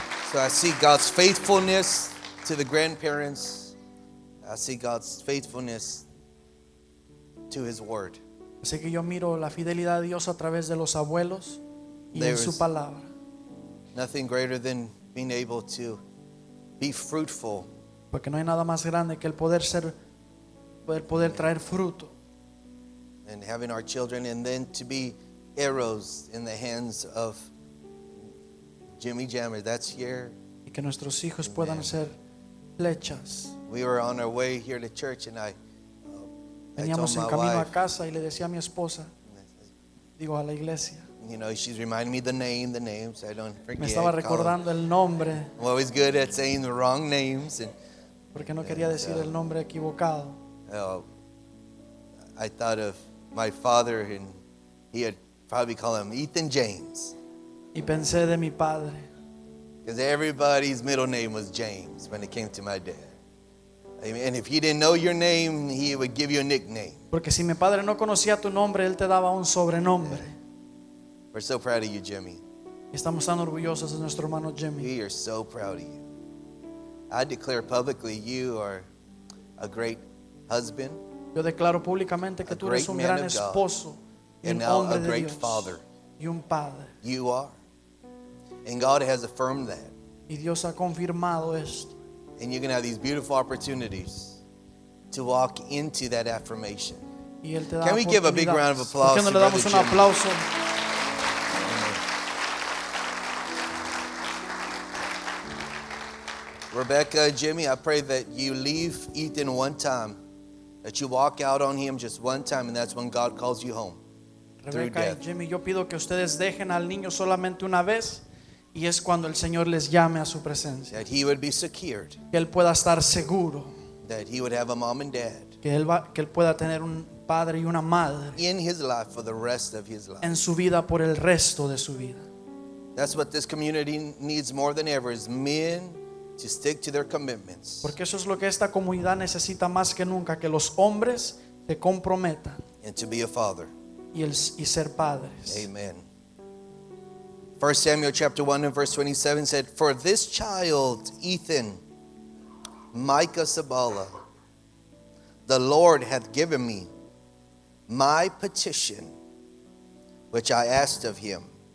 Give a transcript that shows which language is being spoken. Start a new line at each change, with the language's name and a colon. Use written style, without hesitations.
English: So I see God's faithfulness to the grandparents. I see God's faithfulness to His word.
Spanish: Así que yo miro la fidelidad de Dios a través de los abuelos y en su palabra.
English: Nothing greater than being able to be fruitful.
Spanish: Porque no hay nada más grande que el poder ser, el poder traer fruto.
English: And having our children, and then to be arrows in the hands of Jimmy Jammer. That's here.
Spanish: Y que nuestros hijos puedan ser flechas.
English: We were on our way here to church, and I
Spanish: veníamos
English: told my
Spanish: camino
English: wife,
Spanish: a casa y le decía a mi esposa, digo a la iglesia.
English: You know, she's reminding me the name, so I don't forget.
Spanish: Me estaba recordando el nombre.
English: I'm always good at saying the wrong names. And,
Spanish: porque no quería decir el nombre equivocado.
English: I thought of my father, and he had probably called him Ethan James.
Spanish: Y pensé de mi padre.
English: Because everybody's middle name was James when it came to my dad. And if he didn't know your name, he would give you a nickname.
Spanish: Porque si mi padre no conocía tu nombre, él te daba un sobrenombre.
English: Yeah. We're so proud of you, Jimmy.
Spanish: Estamos tan orgullosos de nuestro hermano Jimmy.
English: We are so proud of you. I declare publicly you are a great husband.
Spanish: Yo declaro públicamente que tú eres un gran esposo y un hombre de Dios y un padre.
English: You are. And God has affirmed that.
Spanish: Y Dios ha confirmado esto.
English: And you're going to have these beautiful opportunities to walk into that affirmation.
Spanish: Y él te da.
English: Can we give a big round of applause?
Spanish: ¿Por qué no le damos un aplauso?
English: Rebecca, Jimmy, I pray that you leave Ethan one time. That you walk out on him just one time, and that's when God calls you home.
Spanish: Rebecca y Jimmy, yo pido que ustedes dejen al niño solamente una vez, y es cuando el Señor les llame a su presencia.
English: That he would be secured.
Spanish: Que él pueda estar seguro.
English: That he would have a mom and dad.
Spanish: Que él pueda tener un padre y una madre.
English: In his life for the rest of his life.
Spanish: En su vida por el resto de su vida.
English: That's what this community needs more than ever, is men to stick to their commitments.
Spanish: Porque eso es lo que esta comunidad necesita más que nunca, que los hombres se comprometan.
English: And to be a father.
Spanish: Y ser padres.
English: Amen. 1 Samuel chapter 1 and verse 27 said, "For this child, Ethan, Micah Sabala, the Lord hath given me my petition, which I asked of him.